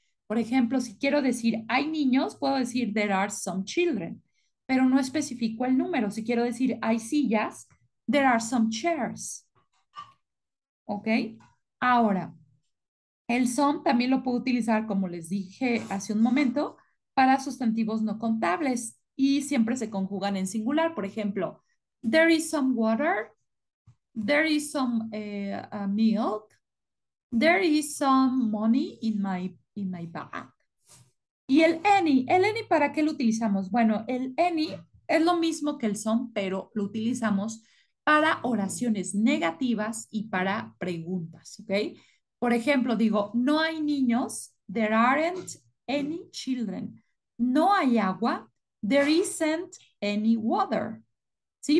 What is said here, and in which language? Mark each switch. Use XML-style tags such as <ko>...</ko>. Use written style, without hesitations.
<es>Por ejemplo, si quiero decir hay niños, puedo decir</es> <en>there are some children,</en> <es>pero no especifico el número. Si quiero decir hay sillas,</es> <en>there are some chairs.</en> <es>¿Ok? Ahora, el some también lo puedo utilizar, como les dije hace un momento, para sustantivos no contables y siempre se conjugan en singular. Por ejemplo,</es> <en>there is some water, there is some milk, there is some money in my bag.</en> <es>Y el any, ¿para qué lo utilizamos? Bueno, el any es lo mismo que el some, pero lo utilizamos para oraciones negativas y para preguntas, ¿ok? Por ejemplo, digo, no hay niños,</es> <en>there aren't any children.</en> <es>No hay agua,</es> <en>there isn't any water.</en> <es>¿Sí?</es>